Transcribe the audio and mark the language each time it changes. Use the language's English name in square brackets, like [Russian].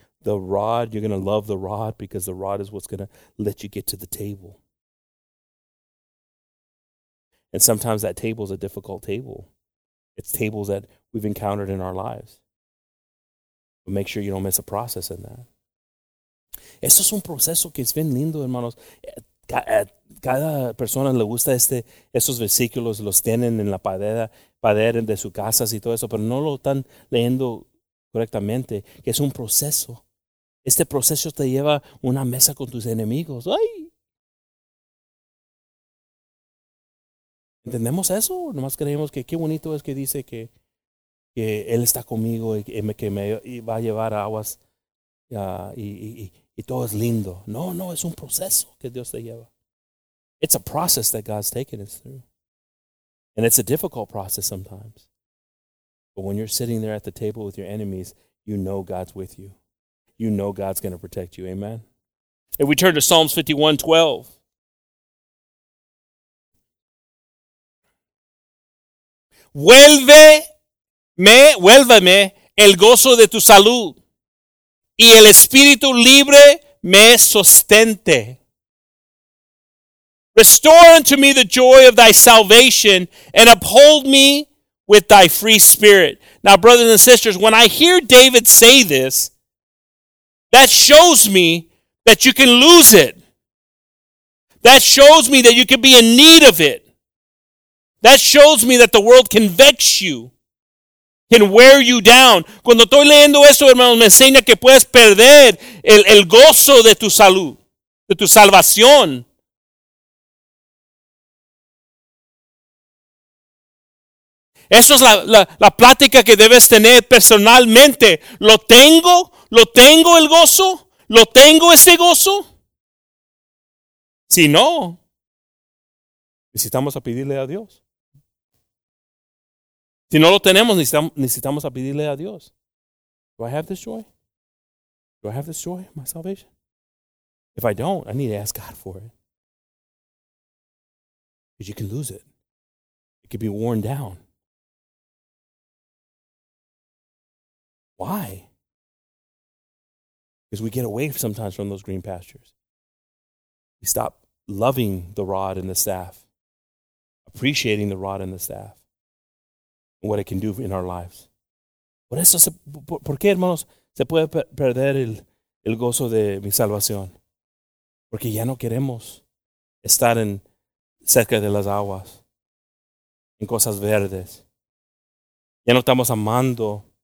[English] The rod, you're gonna love the rod because the rod is what's gonna let you get to the table. And sometimes that table is a difficult table. It's tables that we've encountered in our lives. But make sure you don't miss a process in that. [Spanish] Eso es un proceso que es bien lindo, hermanos. Cada persona le gusta esos versículos, los tienen en la pared de su casa y todo eso, pero no lo están leyendo correctamente, que es un proceso. Este proceso te lleva una mesa con tus enemigos. ¡Ay! ¿Entendemos eso? Nomás creemos que qué bonito es que dice que él está conmigo y va a llevar aguas y todo es lindo. No, no, es un proceso que Dios te lleva. [English] It's a process that God's taking us through. And it's a difficult process sometimes. But when you're sitting there at the table with your enemies, you know God's with you. You know God's going to protect you. Amen. If we turn to Psalms 51:12. [Spanish] Vuélveme el gozo de tu salud y el espíritu libre me sostente. [English] Restore unto me the joy of thy salvation and uphold me with thy free spirit. Now, brothers and sisters, when I hear David say this, that shows me that you can lose it. That shows me that you can be in need of it. That shows me that the world can vex you, can wear you down. [Spanish] Cuando estoy leyendo eso, hermano, me enseña que puedes perder el gozo de tu salud, de tu salvación. Eso es la plática que debes tener personalmente. ¿Lo tengo el gozo? ¿Lo tengo ese gozo? Si no, necesitamos a pedirle a Dios. Si no lo tenemos, necesitamos a pedirle a Dios. [English] Do I have this joy? Do I have this joy, my salvation? If I don't, I need to ask God for it. Because you can lose it. It could be worn down. Why? Because we get away sometimes from those green pastures. We stop loving the rod and the staff, appreciating the rod and the staff. What it can do in our lives. [Spanish] Por eso, ¿por qué, hermanos, se puede perder el gozo de mi salvación? Porque ya no queremos estar en cerca de las aguas, en cosas verdes. Ya no estamos amando,